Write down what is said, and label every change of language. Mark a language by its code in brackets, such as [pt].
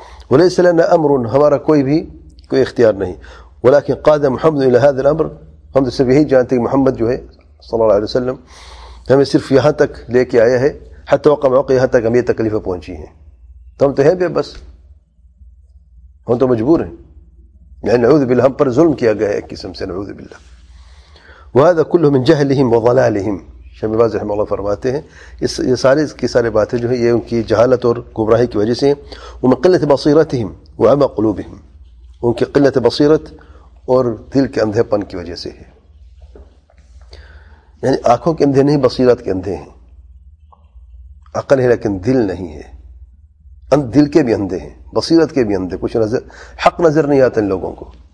[ar] وليس لنا امر، [ur] ہمارا کوئی اختیار نہیں. [ar] ولكن قاد محمد الى هذا الامر، [ur] ہم تو صرف یہی جانتے ہیں محمد جو ہے صلی اللہ علیہ وسلم ہمیں صرف یہاں تک لے کے آیا ہے، [ar] حتی وقع موقع، [ur] یہاں تک ہم یہ تکلیفیں پہنچی ہیں، تم تو ہے بس ہم تو مجبور ہیں، یعنی نعوذ باللہ ہم پر ظلم کیا گیا ہے ایک قسم سے، نعوذ باللہ. [ar] وهذا كله من جهلهم وضلالهم. [ur] شیخ باز رحمہ اللہ فرماتے ہیں یہ سارے کی سارے باتیں جو ہیں یہ ان کی جہالت اور گمراہی کی وجہ سے ہیں. [ar] ومن قلة بصيرتهم وعمى قلوبهم، [ur] ان کی قلت بصیرت اور دل کے اندھے پن کی وجہ سے ہے، یعنی آنکھوں کے اندھے نہیں بصیرت کے اندھے ہیں، عقل ہے لیکن دل نہیں ہے، دل کے بھی اندھے ہیں، بصیرت کے بھی اندھے، کچھ نظر حق نظر نہیں آتا ان لوگوں کو.